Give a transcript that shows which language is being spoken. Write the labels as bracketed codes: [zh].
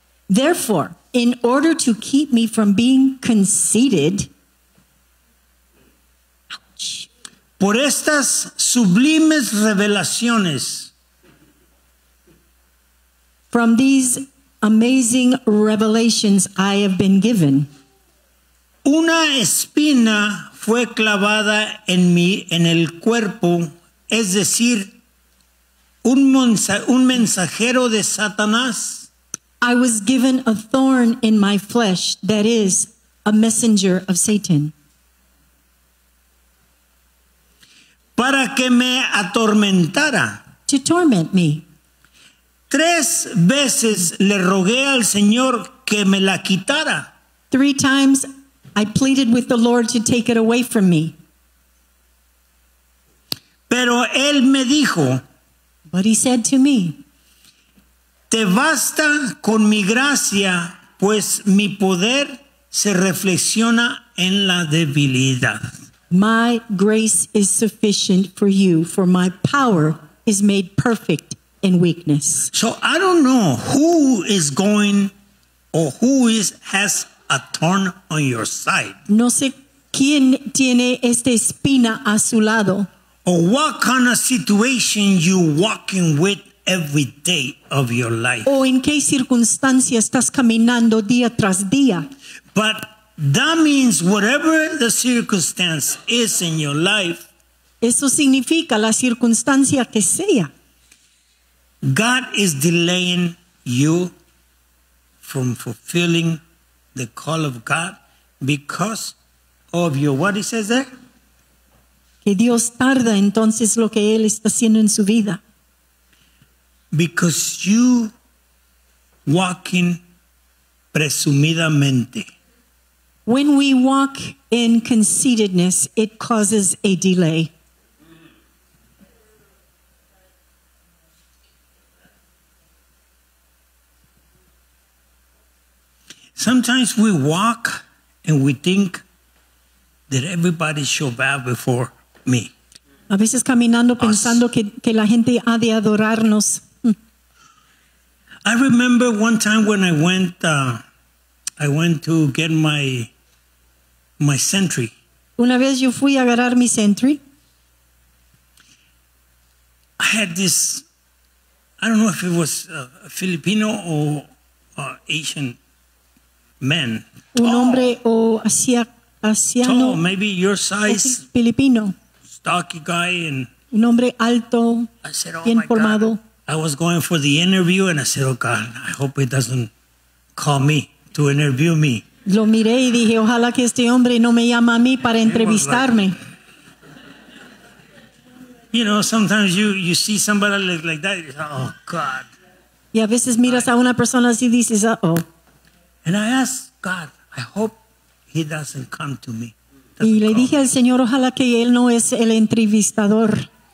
[en] Therefore, in order to keep me from being conceited. Ouch. [es] Por estas sublimes revelaciones. [en] From these amazing revelations I have been given. [es] Una espina fue clavada en mí, en el cuerpo, es decir, un mensajero de Satanás. [en] I was given a thorn in my flesh, that is, a messenger of Satan. [es] Para que me atormentara. [en] To torment me. [es] Tres veces le rogué al Señor que me la quitara. [en] Three times I pleaded with the Lord to take it away from me. [es] Pero él me dijo. [en] But he said to me. [es] Te basta con mi gracia, pues mi poder se reflexiona en la debilidad. [en] My grace is sufficient for you, for my power is made perfect in weakness. So I don't know who is going or who is has a thorn on your side. [es] No sé quién tiene esta espina a su lado. [en] Or what kind of situation you walking with every day of your life. [es] O en qué circunstancia estás caminando día tras día. [en] But that means whatever the circumstance is in your life. [es] Eso significa la circunstancia que sea. [en] God is delaying you from fulfilling the call of God because of your, what he says there? [es] Que Dios tarda entonces lo que él está haciendo en su vida. [en] Because you walking presumidamente. When we walk in conceitedness, it causes a delay. Sometimes we walk and we think that everybody should bow before me. [es] A veces caminando pensando que la gente ha de adorarnos. [en] I remember one time when I went to get my sentry. [es] Una vez yo fui a agarrar mi sentry. [en] I had this, I don't know if it was a Filipino or Asian man. [es] Un hombre o asiano. [en] Tall, maybe your size. Filipino. Stocky guy and. [es] Un hombre alto, bien formado. [en] I was going for the interview and I said, oh God, I hope he doesn't call me to interview me. [es] Lo miré y dije, ojalá que este hombre no me llame a mí para entrevistarme. [en] Like, you know, sometimes you see somebody like that, you say, oh God. [es] Y a veces miras a una persona así y dices, oh. [en] And I asked God, I hope he doesn't come to me. [es] Y le dije al Señor, ojalá que él no es el entrevistador.